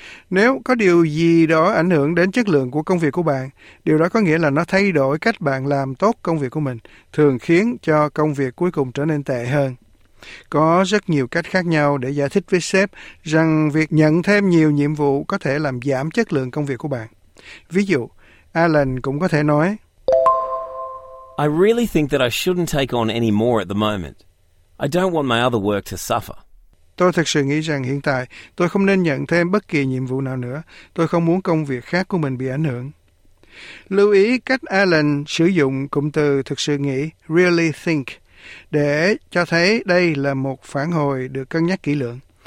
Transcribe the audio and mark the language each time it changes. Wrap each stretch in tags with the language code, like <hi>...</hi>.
<vi>Nếu có điều gì đó ảnh hưởng đến chất lượng của công việc của bạn, điều đó có nghĩa là nó thay đổi cách bạn làm tốt công việc của mình, thường khiến cho công việc cuối cùng trở nên tệ hơn. Có rất nhiều cách khác nhau để giải thích với sếp rằng việc nhận thêm nhiều nhiệm vụ có thể làm giảm chất lượng công việc của bạn. Ví dụ, Alan cũng có thể nói:</vi> <en>I really think that I shouldn't take on any more at the moment. I don't want my other work to suffer.</en> <vi>Tôi thực sự nghĩ rằng hiện tại tôi không nên nhận thêm bất kỳ nhiệm vụ nào nữa. Tôi không muốn công việc khác của mình bị ảnh hưởng. Lưu ý cách Alan sử dụng cụm từ thực sự nghĩ, really think, để cho thấy đây là một phản hồi được cân nhắc kỹ lưỡng.</vi>